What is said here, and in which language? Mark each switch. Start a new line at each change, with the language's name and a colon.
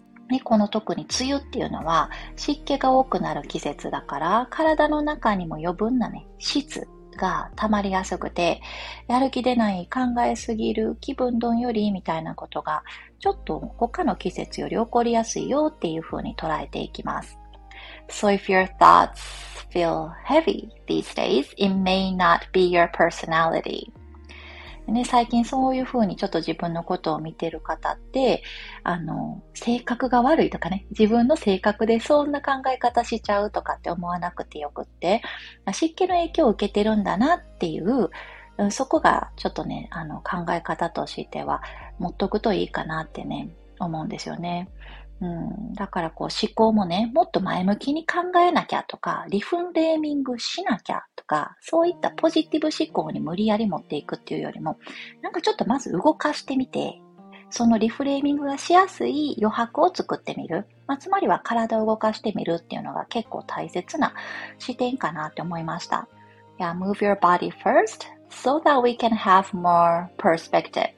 Japanese: で、この特に梅雨っていうのは湿気が多くなる季節だから、体の中にも余分なね、湿が溜まりやすくて、やる気出ない、考えすぎる、気分どんよりみたいなことが、ちょっと他の季節より起こりやすいよっていう風に捉えていきます。
English: So if your thoughts feel heavy these days, it may not be your personality.
Japanese: ね、最近そういう風にちょっと自分のことを見てる方って、性格が悪いとかね、自分の性格でそんな考え方しちゃうとかって思わなくてよくって、湿気の影響を受けてるんだなっていう、そこがちょっとね、考え方としては持っとくといいかなってね、思うんですよね。だからこう思考もね、もっと前向きに考えなきゃとか、リフレーミングしなきゃとか、そういったポジティブ思考に無理やり持っていくっていうよりも、なんかちょっとまず動かしてみて、そのリフレーミングがしやすい余白を作ってみる。まあ、つまりは体を動かしてみるっていうのが結構大切な視点かなって思いました。
English: Yeah, move your body first so that we can have more perspective.